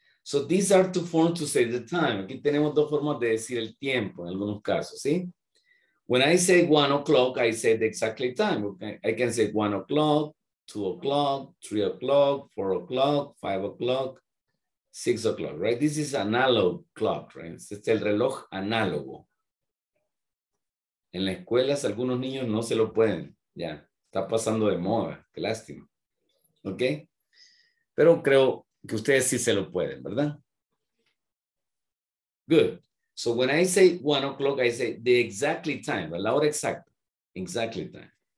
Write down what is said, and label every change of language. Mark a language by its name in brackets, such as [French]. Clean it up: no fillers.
[English] So these are two forms to say the time. [Spanish] Aquí tenemos dos formas de decir el tiempo en algunos casos, ¿sí? [English] When I say 1 o'clock, I say the exactly time. Okay? I can say 1 o'clock, 2 o'clock, 3 o'clock, 4 o'clock, 5 o'clock, 6 o'clock, right? This is analog clock, right? [Spanish] Este es el reloj análogo. En las escuelas, algunos niños no se lo pueden. Ya, está pasando de moda. Qué lástima. ¿Ok? Pero creo que ustedes sí se lo pueden, ¿verdad? [English] Good. So when I say 1 o'clock, I say the exactly time, [Spanish] la hora exacta, [English] exactly time.